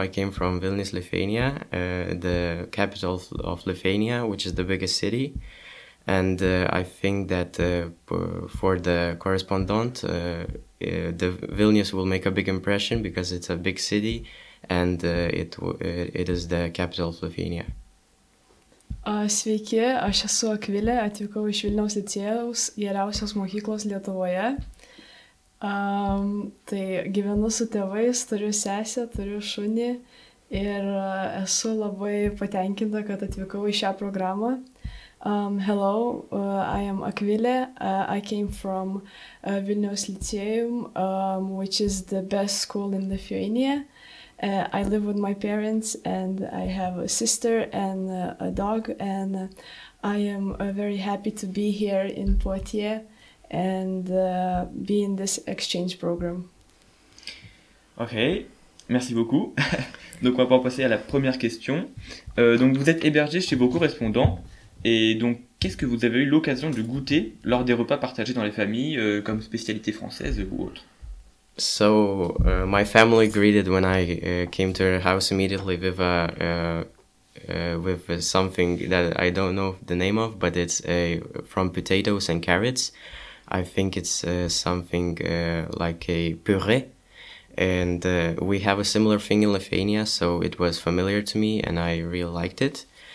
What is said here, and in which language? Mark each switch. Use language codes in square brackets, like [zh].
[en] I came from Vilnius, Lithuania, the capital of Lithuania, which is the biggest city. And I think that for the correspondent, the Vilnius will make a big impression because it's a big city and it is the capital of Lithuania. [lt] Sveiki, aš esu Akvilė, atvykau iš Vilniaus licėjaus, geriausios mokyklos Lietuvoje. Tai gyvenu su tėvais, turiu sesę, turiu šunį ir esu labai patenkinta, kad atvykau į šią programą. [en] Hello, I am Akvilė. I came from Vilniaus licėjum, which is the best school in Lithuania. I live with my parents and I have a sister and a dog and I am very happy to be here in Poitiers and be in this exchange program. [fr] Ok, merci beaucoup. Donc on va pouvoir passer à la première question. Donc vous êtes hébergé chez vos correspondants et donc qu'est-ce que vous avez eu l'occasion de goûter lors des repas partagés dans les familles comme spécialité française ou autre? [en] So my family greeted when I came to her house immediately with something that I don't know the name of, but it's from potatoes and carrots. I think it's something like a puree, and we have a similar thing in Lithuania, so it was familiar to me and I really liked it.